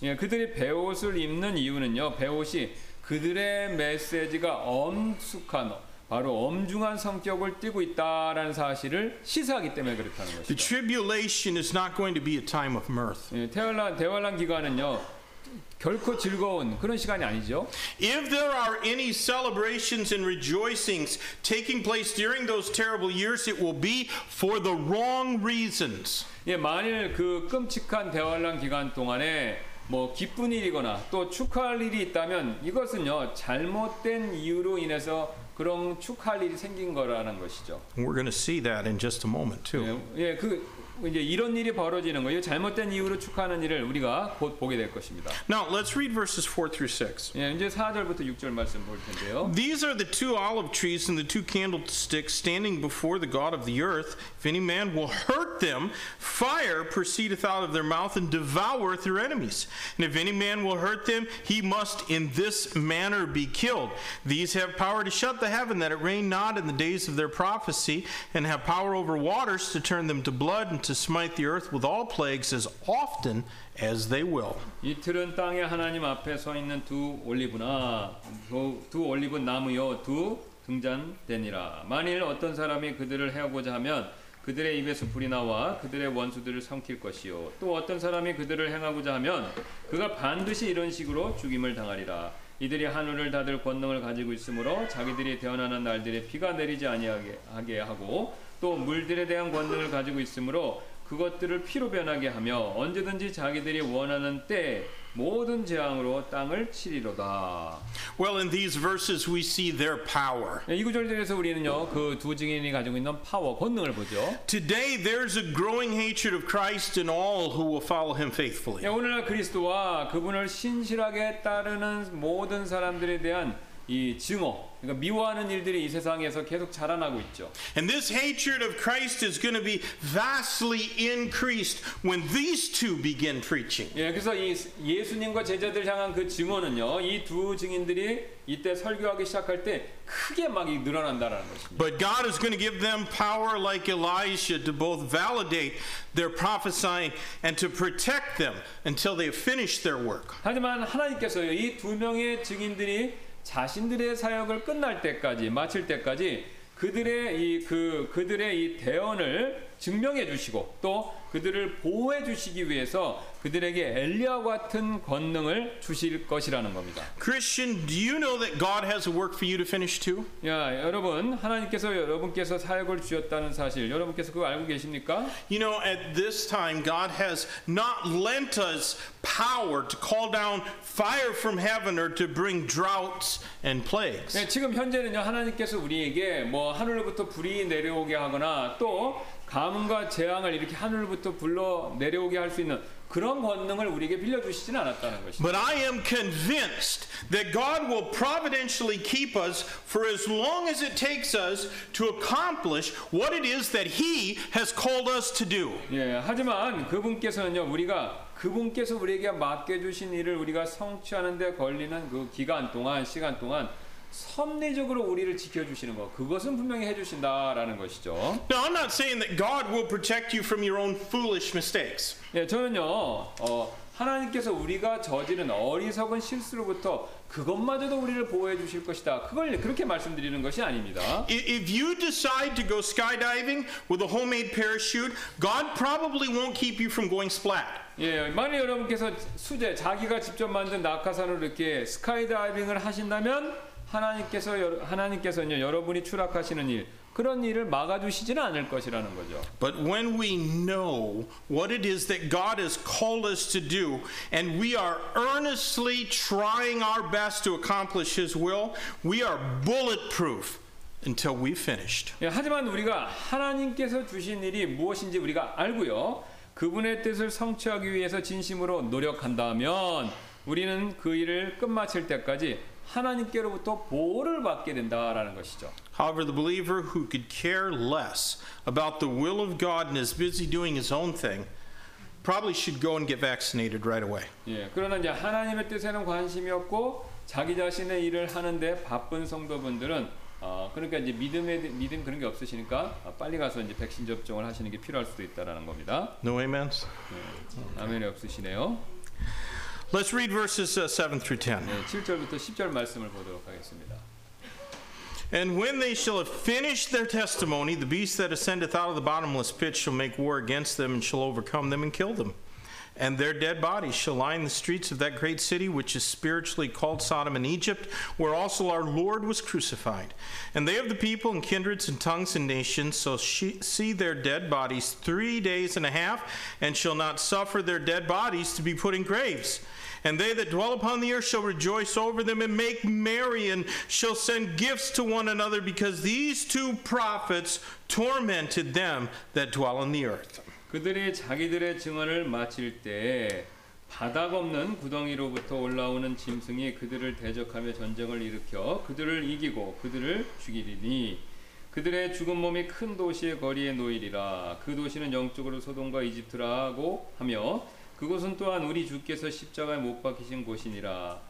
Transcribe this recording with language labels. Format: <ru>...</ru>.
<ko>예, 그들이 배옷을 입는 이유는요, 배옷이 그들의 메시지가 엄숙한 바로 엄중한 성격을 띠고 있다라는 사실을 시사하기 때문에 그렇다는 것이죠.</ko> <en>The tribulation is not going to be a time of mirth.</en> <ko>대환란 기간은요. 결코 즐거운 그런 시간이 아니죠.</ko> <en>If there are any celebrations and rejoicings taking place during those terrible years, it will be for the wrong reasons.</en> <ko>예, 만일 그 끔찍한 대환란 기간 동안에 뭐 기쁜 일이거나 또 축하할 일이 있다면 이것은요 잘못된 이유로 인해서 그런 축하할 일이 생긴 거라는 것이죠.</ko> <en>We're going to see that in just a moment too.</en> <ko>예, 그 이제 이런 일이 벌어지는 거예요. 잘못된 이유로 축하하는 일을 우리가 곧 보게 될 것입니다.</ko> <en>Now let's read verses 4 through 6.</en> <ko>예, 이제 4절부터 6절 말씀 볼 텐데요.</ko> <en>These are the two olive trees and the two candlesticks standing before the God of the earth. If any man will hurt them, fire proceedeth out of their mouth and devoureth their enemies. And if any man will hurt them, he must in this manner be killed. These have power to shut the heaven that it rain not in the days of their prophecy, and have power over waters to turn them to blood. To smite the earth with all plagues as often as they will.</en> <ko>이틀은 땅의 하나님 앞에 서 있는 두 올리브나 두 올리브 나무요 두 등잔대니라. 만일 어떤 사람이 그들을 해하고자 하면 그들의 입에서 불이 나와 그들의 원수들을 삼킬 것이요 또 어떤 사람이 그들을 행하고자 하면 그가 반드시 이런 식으로 죽임을 당하리라. 이들이 하늘을 닫을 권능을 가지고 있으므로 자기들이 태어나는 날들에 비가 내리지 아니하게 하고 또 물들에 대한 권능을 가지고 있으므로 그것들을 피로 변하게 하며 언제든지 자기들이 원하는 때 모든 재앙으로 땅을 치리로다.</ko> <en>Well, in these verses, we see their power.</en> <ko>이 구절들에서 우리는요, 그 두 증인이 가지고 있는 파워, 권능을 보죠.</ko> <en>Today, there's a growing hatred of Christ and all who will follow Him faithfully.</en> <ko>예, 오늘날 그리스도와 그분을 신실하게 따르는 모든 사람들에 대한 이 증오, 그러니까 미워하는 일들이 이 세상에서 계속 자라나고 있죠.</ko> <en>And this hatred of Christ is going to be vastly increased when these two begin preaching.</en> <ko>예, 그래서 이 예수님과 제자들 향한 그 증오는요, 이 두 증인들이 이때 설교하기 시작할 때 크게 막 늘어난다라는 것입니다.</ko> <en>But God is going to give them power like Elisha to both validate their prophesying and to protect them until they finish their work.</en> <ko>하지만 하나님께서요, 이 두 명의 증인들이 자신들의 사역을 끝날 때까지 마칠 때까지 그들의 이 그 그들의 이 대언을 증명해 주시고 또 그들을 보호해 주시기 위해서 그들에게 엘리야와 같은 권능을 주실 것이라는 겁니다.</ko> <en>Christian, do you know that God has a work for you to finish too?</en> <ko>야, 여러분, 하나님께서 여러분께서 사역을 주셨다는 사실 여러분께서 그거 알고 계십니까?</ko> <en>You know, at this time God has not lent us power to call down fire from heaven or to bring droughts and plagues.</en> <ko>네, 지금 현재는요, 하나님께서 우리에게 뭐 하늘로부터 불이 내려오게 하거나 또 가뭄과 재앙을 이렇게 하늘부터 불러 내려오게 할 수 있는 그런 권능을 우리에게 빌려 주시진 않았다는 것이죠.</ko> <en>But I am convinced that God will providentially keep us for as long as it takes us to accomplish what it is that he has called us to do.</en> <ko>예, 하지만 그분께서는요, 우리가 그분께서 우리에게 맡겨 주신 일을 우리가 성취하는 데 걸리는 그 기간 동안 시간 동안 섭리적으로 우리를 지켜주시는 것 그것은 분명히 해주신다라는 것이죠.</ko> <en>Now I'm not saying that God will protect you from your own foolish mistakes.</en> <ko>예, 저는요 하나님께서 우리가 저지른 어리석은 실수로부터 그것마저도 우리를 보호해 주실 것이다. 그걸 그렇게 말씀드리는 것이 아닙니다.</ko> <en>If you decide to go skydiving with a homemade parachute, God probably won't keep you from going splat.</en> <ko>예, 만약 여러분께서 수제 자기가 직접 만든 낙하산으로 이렇게 스카이다이빙을 하신다면 하나님께서는요 여러분이 추락하시는 일 그런 일을 막아주시지는 않을 것이라는 거죠.</ko> <en>But when we know what it is that God has called us to do, and we are earnestly trying our best to accomplish His will, we are bulletproof until we finished.</en> <ko>예, 하지만 우리가 하나님께서 주신 일이 무엇인지 우리가 알고요, 그분의 뜻을 성취하기 위해서 진심으로 노력한다면 우리는 그 일을 끝마칠 때까지 하나님께로부터 보호를 받게 된다라는 것이죠.</ko> <en>However, the believer who could care less about the will of God and is busy doing his own thing probably should go and get vaccinated right away.</en> <ko>예, 그러나 이제 하나님의 뜻에는 관심이 없고 자기 자신의 일을 하는데 바쁜 성도분들은 그러니까 이제 믿음 그런 게 없으시니까 빨리 가서 이제 백신 접종을 하시는 게 필요할 수도 있다라는 겁니다.</ko> <en>No amens.</en> <ko>예, 아멘이 없으시네요.</ko> <en>Let's read verses 7 through 10.</en> <ko>7절부터 10절 말씀을 보도록 하겠습니다.</ko> <en>And when they shall have finished their testimony, the beast that ascendeth out of the bottomless pit shall make war against them and shall overcome them and kill them. And their dead bodies shall lie in the streets of that great city, which is spiritually called Sodom and Egypt, where also our Lord was crucified. And they of the people and kindreds and tongues and nations shall see their dead bodies 3 days and a half, and shall not suffer their dead bodies to be put in graves. And they that dwell upon the earth shall rejoice over them and make merry, and shall send gifts to one another, because these two prophets tormented them that dwell on the earth.</en> <ko>그들이 자기들의 증언을 마칠 때에 바닥 없는 구덩이로부터 올라오는 짐승이 그들을 대적하며 전쟁을 일으켜 그들을 이기고 그들을 죽이리니 그들의 죽은 몸이 큰 도시의 거리에 놓이리라. 그 도시는 영적으로 소돔과 이집트라고 하며 그곳은 또한 우리 주께서 십자가에 못 박히신 곳이니라.</ko>